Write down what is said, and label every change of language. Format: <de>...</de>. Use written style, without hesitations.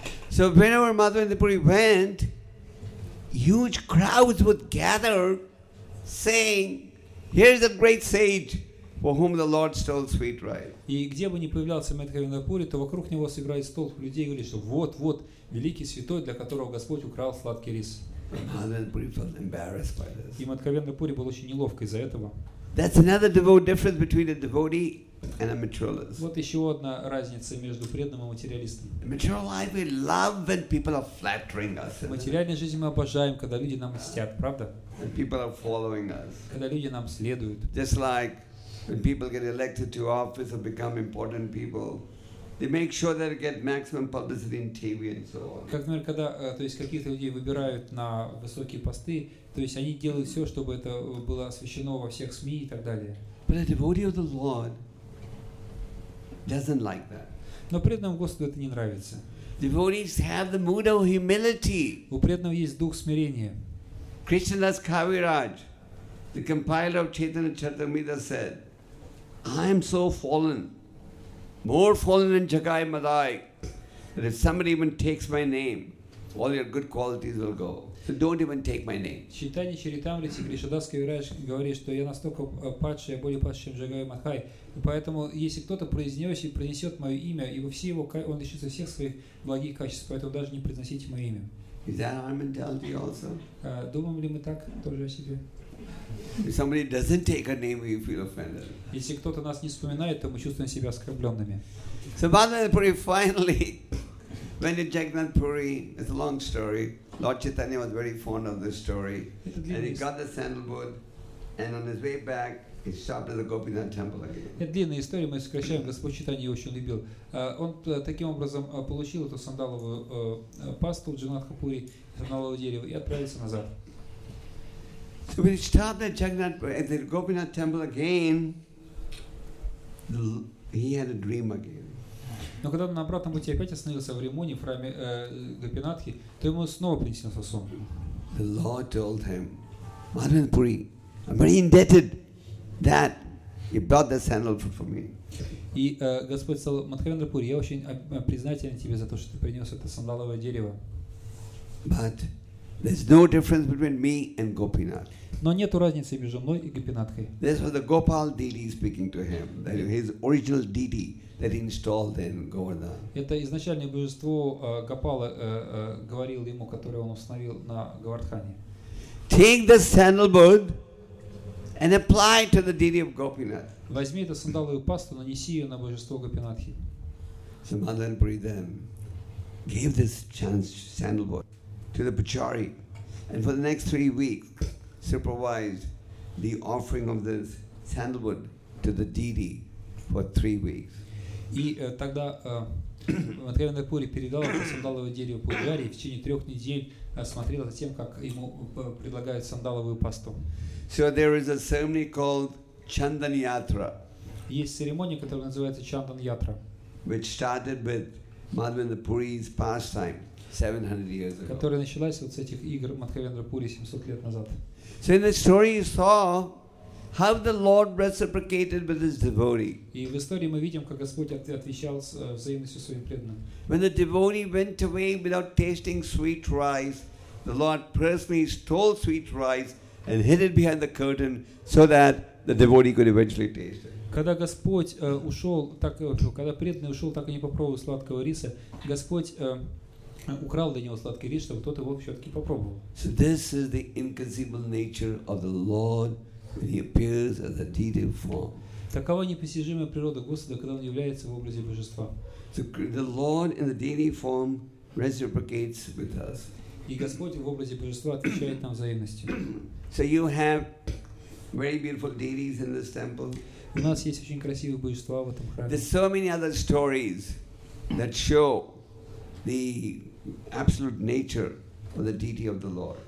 <en>So whenever Madhavendra Puri went, huge crowds would gather saying, here's a great sage for whom the Lord stole sweet rice.</en> <ru>И где бы ни появлялся Мадхавендра Пури, то вокруг него собирает столб людей и говорит, что вот-вот, великий святой, для которого Господь украл сладкий рис.</ru> <en>Madhavendra Puri felt embarrassed by this.</en> <ru>И Мадхавендра Пури был очень неловко из-за этого.</ru> <en>That's another devotee difference between a devotee and a materialist.</en> <ru>Вот еще одна разница между преданным и материалистом.</ru> <en>Material life we love when people are flattering us.</en> <ru>В материальной жизни мы обожаем, когда люди нам льстят, правда?</ru> <en>When people are following us.</en> <ru>Когда люди нам следуют.</ru> <en>Just like when people get elected to office or become important people, they make sure that they get maximum publicity in TV and so on.</en> <ru>Как, например, когда то есть каких-то людей выбирают на высокие посты, то есть они делают все, чтобы это было освещено во всех СМИ и так далее.</ru> <en>But a devotee of the Lord doesn't like that.</en> <ru>Но преданному Господу это не нравится.</ru> <en>Devotees have the mood of humility.</en> <ru>У преданного есть дух смирения.</ru> <en>Krishnadas Kaviraj, the compiler of Chaitanya Charitamrita, said, "I am so fallen, more fallen than Jagai Madai, that if somebody even takes my name, all your good qualities will go. So don't even take my name."</en> <ru>Читание Чаритамриты, Кришнадас Кавирадж говорит, что я настолько падший, я более падший, чем Джагай Мадхай. Поэтому, если кто-то произнес и принесет мое имя, и все его, он лишится всех своих благих качеств, поэтому даже не произносите мое имя.</ru> <en>Is that our mentality also?</en> <ru>Думаем ли мы так тоже о себе?</ru> <en>If somebody doesn't take our name, we feel offended.</en> <ru>Если кто-то нас не вспоминает, то мы чувствуем себя оскорбленными.</ru> <en>So Madhavendra Puri finally went to Jagannath Puri. It's a long story. Lord Chaitanya was very fond of this story. And he got the sandalwood, And on his way back, he stopped at the Gopinath temple again.</en> <ru>Это длинная история, мы сокращаем. Господь Читания очень любил. Он таким образом получил эту сандаловую пасту Джанатхапури, сандалового дерева, и отправился назад.</ru> <en>So when he stopped at Jagannath, at the Gopinath temple again, he had a dream again.</en> <ru>Но когда он на обратном пути опять остановился в Римуне, в храме Гопинатхи, то ему снова приснился сон.</ru> <en>The Lord told him, Madan Puri, I'm very indebted that you brought the sandal for me.</en> <ru>И Господь сказал, Мадхавендра Пури, я очень признателен тебе за то, что ты принес это сандаловое дерево.</ru> <en>But there's no difference between me and Gopinath.</en> <ru>Но нет разницы между мной и Гопинатхой.</ru> <en>This was the Gopal deity speaking to him, that his original deity that he installed in Govardhan.</en> <ru>Это изначальное божество Гопала говорил ему, которое он установил на Говардхане.</ru> <en>Take the sandalwood and apply it to the deity of Gopinath.</en> <ru>Возьми эту сандаловую пасту, нанеси ее на божество Гопинатхи.</ru> <en>So Madan Puri then gave this chance sandalwood to the Pujari, and for the next 3 weeks supervised the offering of this sandalwood to the deity for 3 weeks.</en> <ru>И тогда Мадхавендра Пури передал это сандаловое дерево Пуджари и в течение 3 недель смотрел за тем, как ему предлагают сандаловую пасту.</ru> <en>So there is a ceremony called Chandan Yatra.</en> <ru>Есть церемония, которая называется Чандан Ятра.</ru> <en>Which started with Madhavendra Puri's pastime 700 years ago.</en> <ru>Которая началась вот с этих игр Мадхавендра Пури 700 лет назад.</ru> <en>So in the story you saw how the Lord reciprocated with his devotee.</en> <ru>И в истории мы видим, как Господь отвечал взаимностью своим преданным.</ru> <en>When the devotee went away without tasting sweet rice, the Lord personally stole sweet rice and hid it behind the curtain so that the devotee could eventually taste it.</en> <ru>Когда Господь ушел, так когда преданный ушел, так и не попробовал сладкого риса, Господь украл для него сладкий рис, чтобы тот его все-таки попробовал.</ru> <en>So this is the inconceivable nature of the Lord. When he appears as a deity form.</en> <ru>Такова непостижимая природа Господа, когда он является в образе божества.</ru> <en>The Lord in the deity form reciprocates with us.</en> <ru>И Господь в образе божества отвечает нам взаимностью.</ru> <en>So you have very beautiful deities in this temple.</en> <ru>У нас есть очень красивые божества в этом храме.</ru> <en>There's so many other stories that show the absolute nature of the deity of the Lord.</en>